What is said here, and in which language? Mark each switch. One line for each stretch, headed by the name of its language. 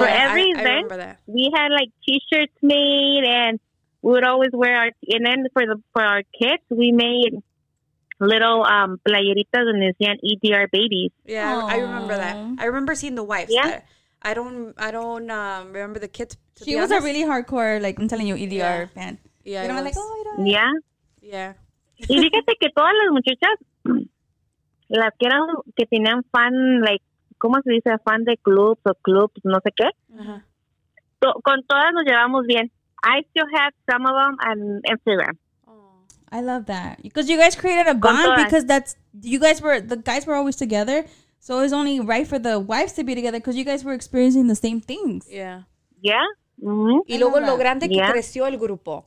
English: For every event, we had like t-shirts made and we would always wear our, and then for our kids, we made little playeritas and they said EDR babies. Yeah, aww. I remember that. I remember seeing the wives. Yeah. I don't remember the kids. She was a really hardcore, like I'm telling you, EDR yeah. fan. Yeah. You know, like, oh, I don't. Yeah. Yeah.
Spanish: Y fíjate que todas las muchachas, las que eran, que tenían fan, like, ¿cómo se dice? Fan de clubs o clubs, no sé qué. Uh-huh. Con todas nos llevamos bien.
English: I still have some of them on Instagram. Oh, I love that. Because you guys created a bond because that's, you guys were, the guys were always together. So it was only right for the wives to be together because you guys were experiencing the same things. Yeah. Yeah.
Spanish: Y luego lo grande que creció el grupo.